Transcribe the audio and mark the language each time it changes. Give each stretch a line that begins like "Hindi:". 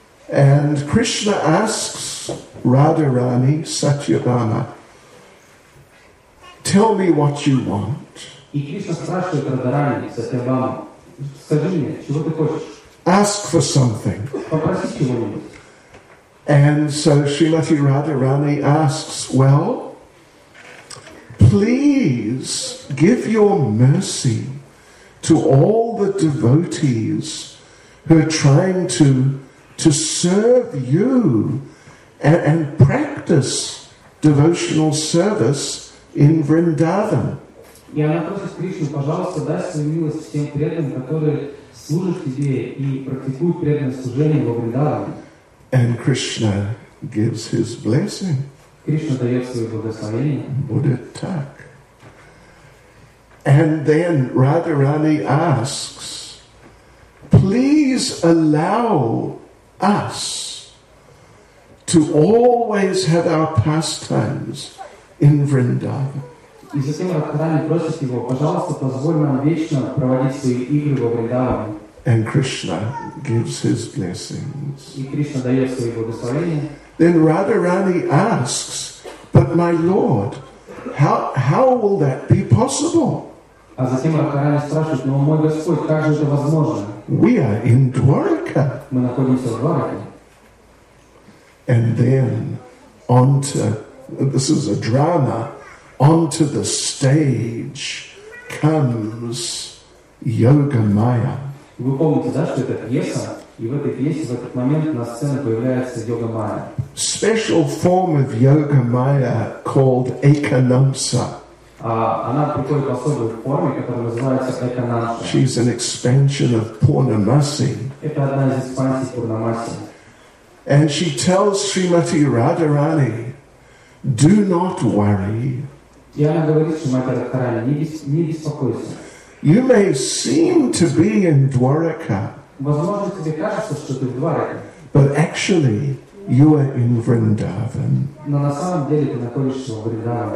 English: And Krishna asks Radharani, Satyabhama, tell me what you want.
Russian: И Кришна спрашивает Радхарани, Сатьябхама, скажи мне, чего ты хочешь?
English: Ask for something.
Russian: Попроси чего-нибудь.
English: And so Srimati Radharani asks, well, please give your mercy to all the devotees who are trying to serve you and practice devotional service in Vrindavan.
Russian: И она просит Кришну, пожалуйста, дай свою милость всем преданным, которые служат тебе и практикуют преданное служение во Вриндаване.
English: And Krishna gives his blessing.
Russian: Кришна дает свое благословение. Buddha.
English: And then Radharani asks, please allow us to always have our pastimes in Vrindavan.
Russian: И затем Радхарани просит его, пожалуйста, позволь нам вечно проводить свои игры во Вриндаване.
English: And Krishna gives his blessings.
Russian: И Кришна дает свои благословения.
English: Then Radharani asks, but my lord, how will that be possible?
Russian: А затем Радхарани спрашивает, но мой Господь, как же это возможно?
English: We are in Dwarka.
Russian: Мы находимся в Двараке.
English: And then onto, this is a drama, onto the stage comes Yogamaya.
Russian: Вы помните, да, что это пьеса? И в этой пьесе, в этот момент, на сцене появляется Йогамая.
English: Special form of Yogamaya called Ekanamsa.
Russian: Она приходит в особой форме, которая называется Эканамса.
English: She's an expansion of Purnamasi.
Russian: Это одна из экспансий Пурнамаси.
English: And she tells Srimati Radharani, do not worry.
Russian: И она говорит Шримати Радхарани, не беспокойся.
English: You may seem to be in Dwarka.
Russian: Возможно, тебе кажется, что ты в Двараке.
English: But actually, you are in Vrindavan.
Russian: Но на самом деле ты находишься в Вриндаване.